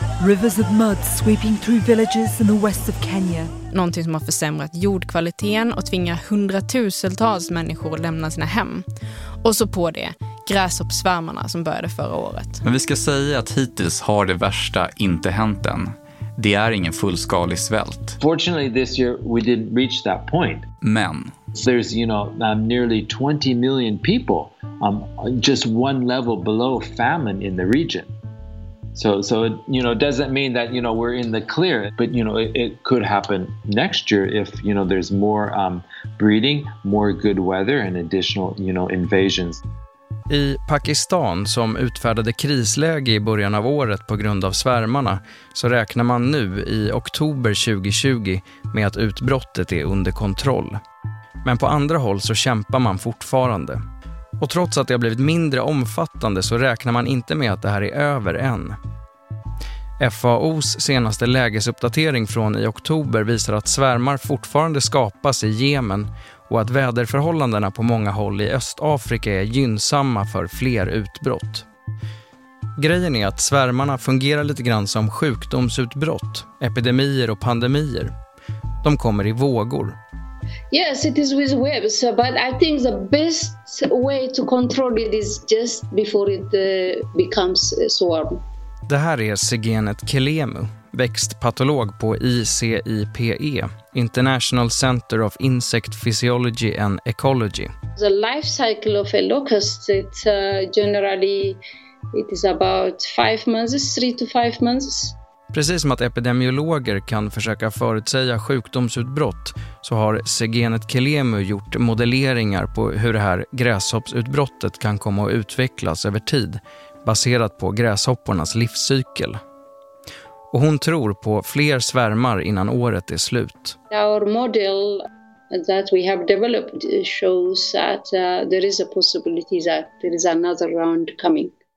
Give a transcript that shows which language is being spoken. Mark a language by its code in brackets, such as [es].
[en] Rivers of mud sweeping through villages in the west of Kenya. [sv] Någonting som har försämrat jordkvaliteten och tvingar hundratusentals människor att lämna sina hem. Och så på det, gräshoppsvärmarna som började förra året. Men vi ska säga att hittills har det värsta inte hänt än. Det är ingen fullskalig svält. [en] Fortunately this year we didn't reach that point. [sv] Men [en] there's, you know, nearly 20 million people just one level below famine in the region. So you know, doesn't mean that, you know, we're in the clear, but you know, it could happen next year if, you know, there's more breeding, more good weather and additional, you know, invasions. [sv] I Pakistan, som utfärdade krisläge i början av året på grund av svärmarna, så räknar man nu i oktober 2020 med att utbrottet är under kontroll. Men på andra håll så kämpar man fortfarande. Och trots att det har blivit mindre omfattande så räknar man inte med att det här är över än. FAOs senaste lägesuppdatering från i oktober visar att svärmar fortfarande skapas i Jemen och att väderförhållandena på många håll i Östafrika är gynnsamma för fler utbrott. Grejen är att svärmarna fungerar lite grann som sjukdomsutbrott, epidemier och pandemier. De kommer i vågor. [en] Yes, it is with waves, but I think the best way to control it is just before it becomes a swarm. [sv] Det här är Segenet Kelemu, växtpatolog på ICIPE, International Center of Insect Physiology and Ecology. [en] The life cycle of a locust, it's generally it is about 5 months, 3 to 5 months. [sv] Precis som att epidemiologer kan försöka förutsäga sjukdomsutbrott så har Segenet Kelemu gjort modelleringar på hur det här gräshoppsutbrottet kan komma att utvecklas över tid baserat på gräshoppornas livscykel. Och hon tror på fler svärmar innan året är slut. [en] Our model that we have developed shows that there is a possibility that there is another round coming.